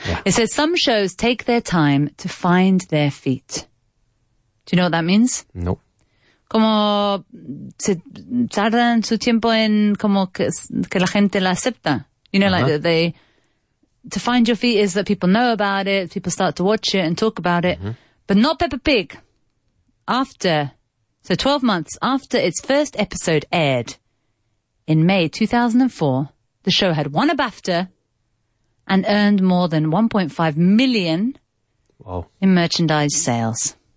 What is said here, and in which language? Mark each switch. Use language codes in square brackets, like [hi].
[en] Yeah. It says some shows take their time to find their feet. Do you know what that means? No. [es] Como se tardan su tiempo en como que la gente la acepta. [en] You know, like they... To find your feet is that people know about it, people start to watch it and talk about it. Mm-hmm. But not Peppa Pig. After, so 12 months after its first episode aired in May 2004, the show had won a BAFTA and earned more than 1.5 million in merchandise sales.